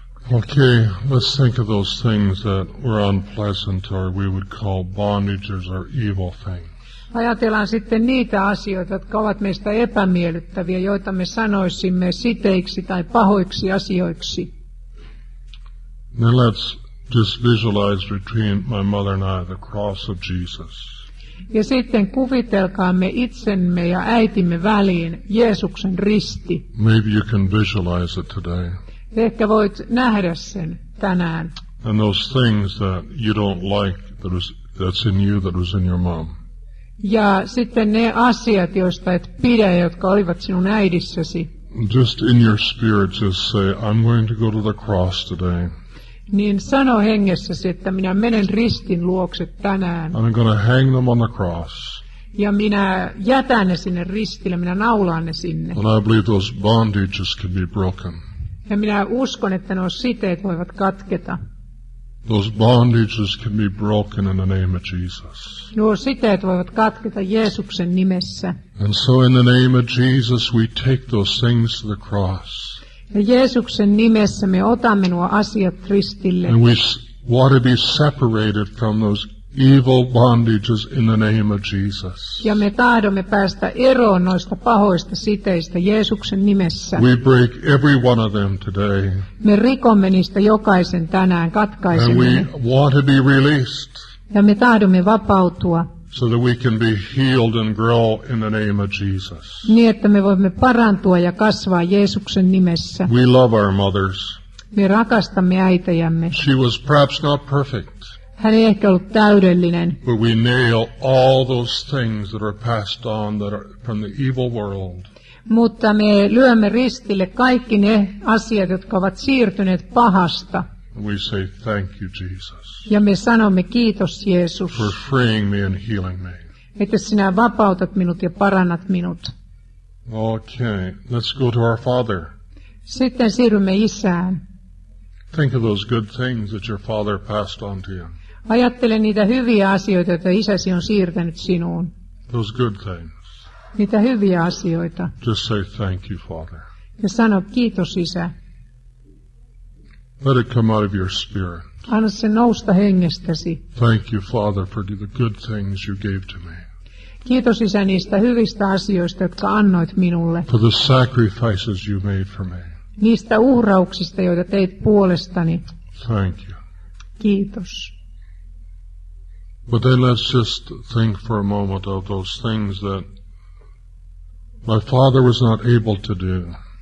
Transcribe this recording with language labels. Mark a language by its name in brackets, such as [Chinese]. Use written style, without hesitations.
[English] Okay, let's think of those things that were unpleasant or we would call bondages or evil things. [Finnish] Ajatellaan sitten niitä asioita, jotka ovat meistä epämiellyttäviä, joita me sanoisimme siteiksi tai pahoiksi asioiksi. [English] Now let's just visualize between my mother and I the cross of Jesus. [Finnish] Ja sitten kuvitelkaamme itsemme ja äitimme väliin Jeesuksen risti. [English] Maybe you can visualize it today. [Finnish] Ehkä voit nähdä sen tänään. [English] And those things that you don't like that's in you that was in your mom. [Finnish] Ja sitten ne asiat, joista et pidä, jotka olivat sinun äidissäsi. [English] Just in your spirit just say, I'm going to go to the cross today. [Finnish] Niin sano hengessäsi, että minä menen ristin luokse tänään. [English] I'm going to hang them on the cross. [Finnish] Ja minä jätän ne sinne ristille, minä naulaan ne sinne. [English] And I believe those bondages can be broken. [Finnish] Ja minä uskon, että nuo siteet voivat katketa. [English] Those bondages can be broken in the name of Jesus. [Finnish] Nuo siteet voivat katketa Jeesuksen nimessä. [English] And so in the name of Jesus we take those things to the cross. [Finnish] Ja Jeesuksen nimessä me otamme nuo asiat ristille. [English] And we want to be separated from those evil bondages in the name of Jesus. [Finnish] Ja me tahdomme päästä eroon noista pahoista siteistä Jeesuksen nimessä. [English] We break every one of them today. [Finnish] Me rikomme niistä jokaisen tänään, katkaisemme. [English] And we want to be released. [Finnish] Ja me tahdomme vapautua. [English] So that we can be healed and grow in the name of Jesus. [Finnish] Niin, että me voimme parantua ja kasvaa Jeesuksen nimessä. [English] We love our mothers. [Finnish] Me rakastamme äitejämme. [English] She was perhaps not perfect. [Finnish] Hän ei ehkä ollut täydellinen. [English] But we nail all those things that are passed on that are from the evil world. [Finnish] Mutta me lyömme ristille kaikki ne asiat, jotka ovat siirtyneet pahasta. [English] We say thank you, Jesus. [Finnish] Ja me sanomme kiitos Jeesus. [English] For freeing me and healing me. [Finnish] Että sinä vapautat minut ja parannat minut. [English] Okay, let's go to our Father. [Finnish] Sitten siirrymme isään. [English] Think of those good things that your father passed on to you. [Finnish] Ajattele niitä hyviä asioita, joita isäsi on siirtänyt sinuun. [English] Those good things. [Finnish] Niitä hyviä asioita. [English] Just say thank you, Father. [Finnish] Ja sano kiitos isä. [English] Let it come out of your spirit. [Finnish] Anna sen nousta hengestäsi. [English] Thank you, Father, for the good things you gave to me. [Finnish] Kiitos isä niistä hyvistä asioista, jotka annoit minulle. [English] For the sacrifices you made for me. [Finnish] Niistä uhrauksista, joita teit puolestani. [English] Thank you. [Finnish] Kiitos. [English] But then let's just think for a moment of those things that my father was not able to do.